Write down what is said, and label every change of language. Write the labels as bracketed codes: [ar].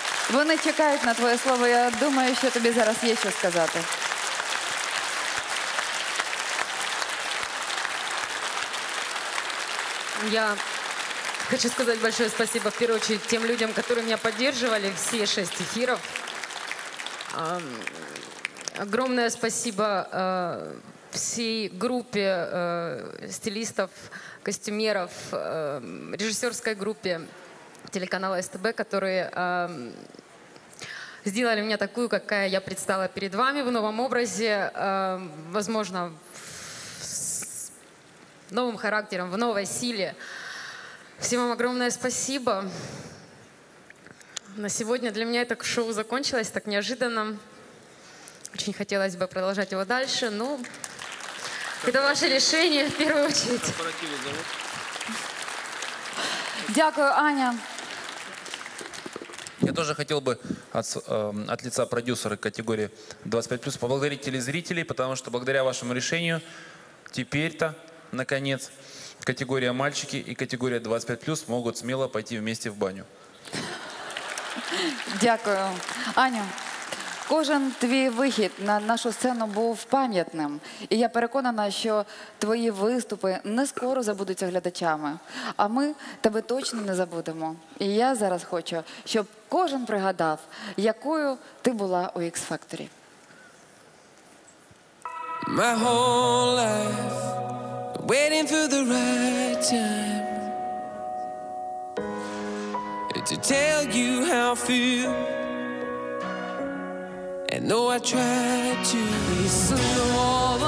[uk] Вони чекають на твоє слово. Я думаю, що тобі зараз є що сказати. Я хочу сказати [ru] большое спасибо, [uk] в першу чергу, тим людям, які мене підтримували, всі 6 ефірів. [ru] Огромне спасибо всей группе стилистов, костюмеров, режиссерской группе телеканала СТБ, которые сделали меня такую, какая я предстала перед вами в новом образе, возможно, с новым характером, в новой силе. Всем вам огромное спасибо. На сегодня для меня это шоу закончилось так неожиданно. Очень хотелось бы продолжать его дальше, но это ваше решение в первую очередь. [uk] Дякую, Аня. [ru] Я тоже хотел бы от лица продюсера категории 25+ поблагодарить телезрителей, потому что благодаря вашему решению теперь-то, наконец, категория «Мальчики» и категория 25+ могут смело пойти вместе в баню. [uk] Дякую. Аня, кожен твій вихід на нашу сцену був пам'ятним. І я переконана, що твої виступи не скоро забудуться глядачами. А ми тебе точно не забудемо. І я зараз хочу, щоб кожен пригадав, якою ти була у X-Factory. [en] My whole life waiting for the right time to tell you how I feel. And though I tried to be slow,